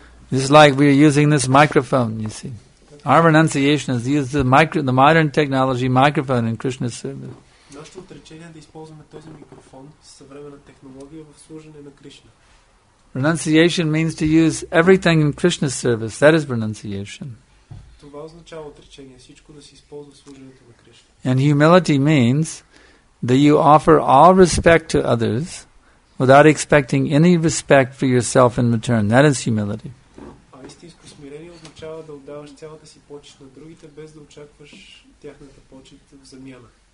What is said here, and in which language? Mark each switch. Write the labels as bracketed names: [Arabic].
[English] This is like we are using this microphone, you see. Our renunciation is to use the modern technology microphone in Krishna's service. [Bulgarian] Нашето отречение е да използваме този микрофон с съвременна технология в служене на Кришна. [English] Renunciation means to use everything in Krishna's service. That is renunciation. [Bulgarian] Това означава отречение, всичко да се използва в служението на Кришна. [English] And humility means that you offer all respect to others without expecting any respect for yourself in return. That is humility. [Bulgarian] А истинско смирение означава да отдаваш цялата си почет на другите без да очакваш тяхната почет в замяна.